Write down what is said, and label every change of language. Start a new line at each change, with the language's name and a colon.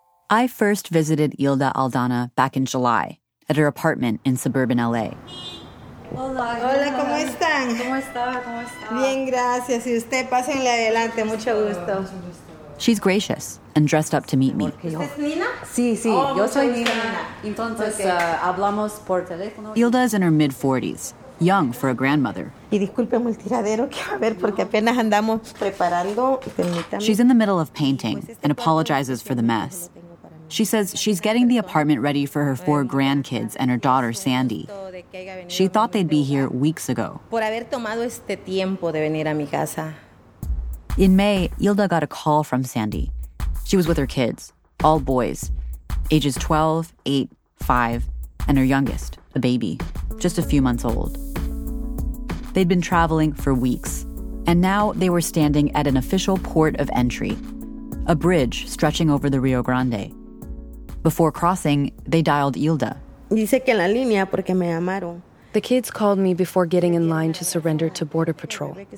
English: I first visited Hilda Aldana back in July at her apartment in suburban L.A.
Spanish: Hola, ¿cómo están? ¿Cómo está? ¿Cómo está? Bien, gracias. Y usted, pásenle adelante. Mucho gusto.
English: She's gracious and dressed up to meet me.
Spanish: ¿Usted es Nina? Sí, sí, yo soy Nina. Entonces, hablamos por teléfono.
English: Hilda is in her mid-40s, young for a grandmother.
Spanish: Y discúlpeme el tiradero que va a haber porque apenas andamos preparando. Permítame.
English: She's in the middle of painting and apologizes for the mess. She says she's getting the apartment ready for her four grandkids and her daughter, Sandy. She thought they'd be here weeks ago.
Spanish: Por haber tomado este tiempo de venir a mi casa.
English: In May, Hilda got a call from Sandy. She was with her kids, all boys, ages 12, 8, 5, and her youngest, a baby, just a few months old. They'd been traveling for weeks, and now they were standing at an official port of entry, a bridge stretching over the Rio Grande. Before crossing, they dialed Hilda.
Spanish: Dice que en la línea porque me llamaron.
English: The kids called me before getting in line to surrender to Border Patrol.